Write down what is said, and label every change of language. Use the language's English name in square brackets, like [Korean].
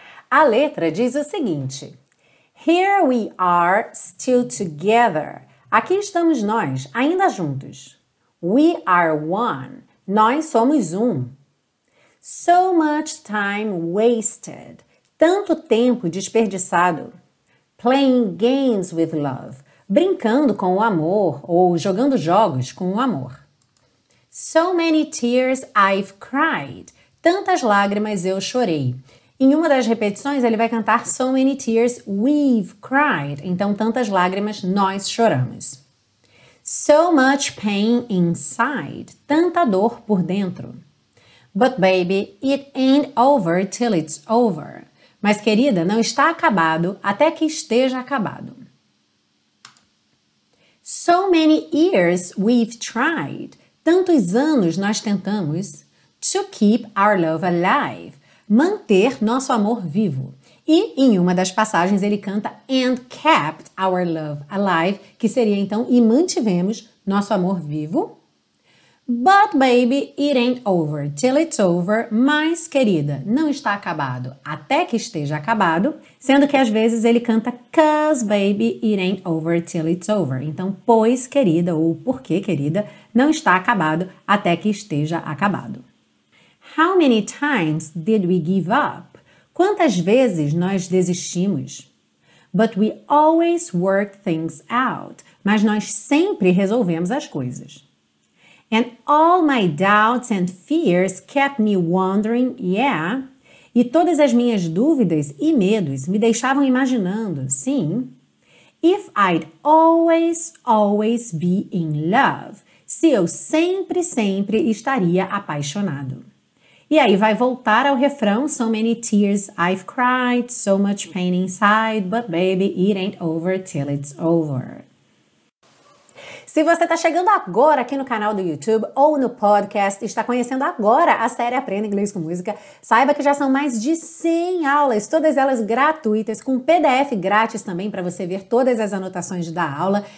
[Portuguese] A letra diz o seguinte: [English] Here we are still together. [Portuguese] Aqui estamos nós, ainda juntos. [English] We are one. [Portuguese] Nós somos um. [English] So much time wasted. [Portuguese] Tanto tempo desperdiçado. [English] Playing games with love. [Portuguese] Brincando com o amor ou jogando jogos com o amor. [English] So many tears I've cried. [Portuguese] Tantas lágrimas eu chorei. Em uma das repetições, ele vai cantar [English] So many tears we've cried. [Portuguese] Então, tantas lágrimas nós choramos. [English] So much pain inside. [Portuguese] Tanta dor por dentro. [English] But baby, it ain't over till it's over. [Portuguese] Mas, querida, não está acabado até que esteja acabado. [English] So many years we've tried. [Portuguese] Tantos anos nós tentamos. [English] To keep our love alive. [Portuguese] Manter nosso amor vivo. E, em uma das passagens, ele canta [English] And kept our love alive, [Portuguese] que seria, então, e mantivemos nosso amor vivo. [English] But, baby, it ain't over till it's over. [Portuguese] Mas, querida, não está acabado até que esteja acabado. Sendo que, às vezes, ele canta [English] Cause, baby, it ain't over till it's over. [Portuguese] Então, pois, querida, ou porque, querida, não está acabado até que esteja acabado. [English] How many times did we give up? [Portuguese] Quantas vezes nós desistimos? [English] But we always worked things out. [Portuguese] Mas nós sempre resolvemos as coisas. [English] And all my doubts and fears kept me wondering, yeah. [Portuguese] E todas as minhas dúvidas e medos me deixavam imaginando, sim. [English] If I'd always, always be in love. [Portuguese] Se eu sempre, sempre estaria apaixonado. E aí vai voltar ao refrão, [English] so many tears I've cried, so much pain inside, but baby, it ain't over till it's over. [Portuguese] Se você está chegando agora aqui no canal do YouTube ou no podcast e está conhecendo agora a série Aprenda Inglês com Música, saiba que já são mais de 100 aulas, todas elas gratuitas, com PDF grátis também para você ver todas as anotações da aula.